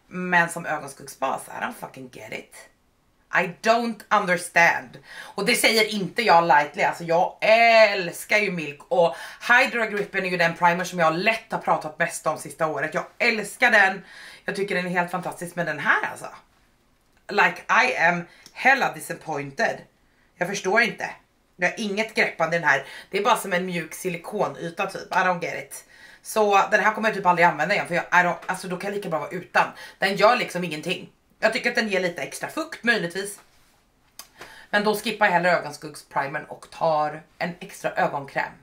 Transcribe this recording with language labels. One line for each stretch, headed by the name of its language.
Swedish: Men som ögonskuggsbas,
English: I don't fucking get it. I don't understand.
Swedish: Och det säger inte jag lightly. Alltså jag älskar ju Milk. Och Hydra Grippen är ju den primer som jag lätt har pratat mest om sista året. Jag älskar den. Jag tycker den är helt fantastisk med den här alltså.
English: Like I am hella disappointed.
Swedish: Jag förstår inte. Jag har inget greppande i den här. Det är bara som en mjuk silikonyta typ.
English: I don't get it.
Swedish: Så den här kommer jag typ aldrig använda igen. För jag, alltså då kan jag lika bra vara utan. Den gör liksom ingenting. Jag tycker att den ger lite extra fukt möjligtvis. Men då skippar jag hellre ögonskuggsprimern och tar en extra ögonkräm.